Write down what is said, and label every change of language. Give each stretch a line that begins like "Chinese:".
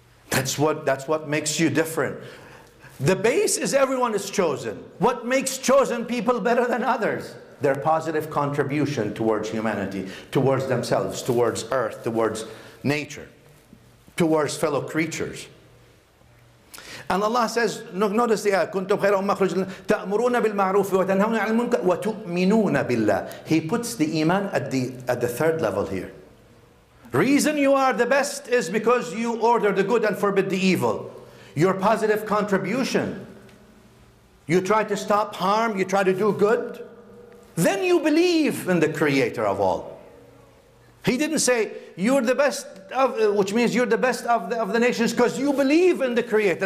English: That's what makes you different. The base is everyone is chosen. What makes chosen people better than others? Their positive contribution towards humanity, towards themselves, towards earth, towards nature, towards fellow creatures. And Allah says, notice the ayah,
Arabic: كُنْتُمْ خَيْرَ أُمَّ خُرُجِ اللَّهِ تَأْمُرُونَ بِالْمَعْرُوفِ وَتَنْهَوْنَ عَلْ مُنْكَرِ وَتُؤْمِنُونَ بِاللَّهِ.
English: He puts the iman at the third level here. Reason you are the best is because you order the good and forbid the evil. Your positive contribution. You try to stop harm, you try to do good. Then you believe in the creator of all. He didn't say, you're the best of, which means you're the best of the nations because you believe in the creator.